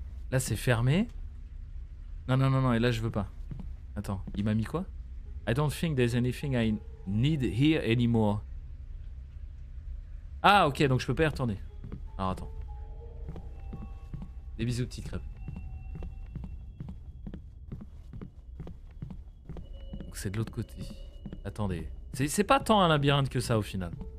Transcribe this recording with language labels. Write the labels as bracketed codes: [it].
[fr] Là, c'est fermé. Non, non, non, non, et là, je veux pas. Attends, il m'a mis quoi? [en] I don't think there's anything I need here anymore. [fr] Ah, ok, donc je peux pas y retourner. Alors, attends. Des bisous, petite crêpe. Donc, c'est de l'autre côté. Attendez. C'est pas tant un labyrinthe que ça, au final.